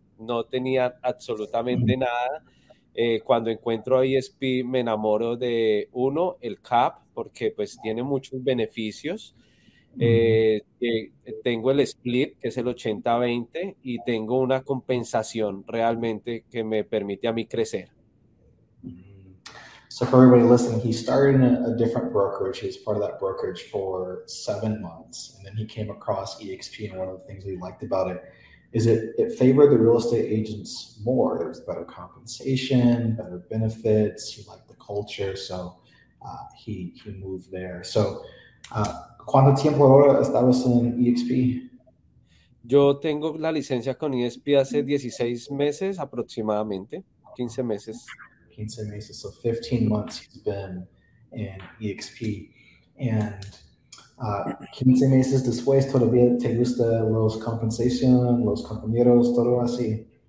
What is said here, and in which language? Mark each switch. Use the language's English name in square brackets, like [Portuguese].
[Spanish] No tenía absolutamente nada. Cuando encuentro a EXP, me enamoro de uno, el cap, porque pues tiene muchos beneficios. Tengo el split, que es el 80-20, y tengo una compensación realmente que me permite a mí crecer. [English] So for everybody listening, he started in a different brokerage. He was part of that brokerage for 7 months, and then he came across EXP. And one of the things he liked about it is it favored the real estate agents more. There was better compensation, better benefits. He liked the culture, so he moved there. [Spanish] So, ¿cuánto tiempo ahora estabas en EXP? Yo tengo la licencia con ESP hace 16 meses aproximadamente, 15 meses. 15 meses, [English] so 15 months he's been in EXP. [Spanish] And 15 meses después, ¿todavía te gusta los compensación, los compañeros, todo así?